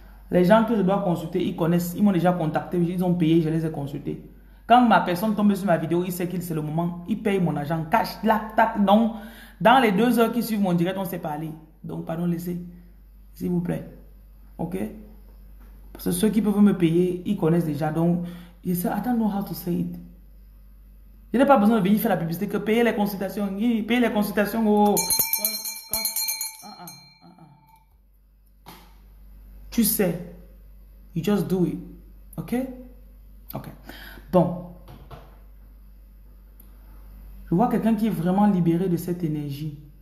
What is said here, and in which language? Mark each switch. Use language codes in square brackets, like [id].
[fr] Les gens que je dois consulter, ils connaissent, ils m'ont déjà contacté, ils ont payé, je les ai consultés. Quand ma personne tombe sur ma vidéo, il sait que c'est le moment, il paye mon argent, cash, là, tac. Donc, dans les 2 heures qui suivent mon direct, on s'est parlé. Donc, pardon, laissez. S'il vous plaît. OK? Parce que ceux qui peuvent me payer, ils connaissent déjà. Donc, je sais, [en] I don't know how to say it. [fr] Je n'ai pas besoin de venir faire la publicité que payer les consultations. Payer les consultations. Oh. Tu sais. [en] You just do it. OK? OK. [fr] Bon, je vois quelqu'un qui est vraiment libéré de cette énergie.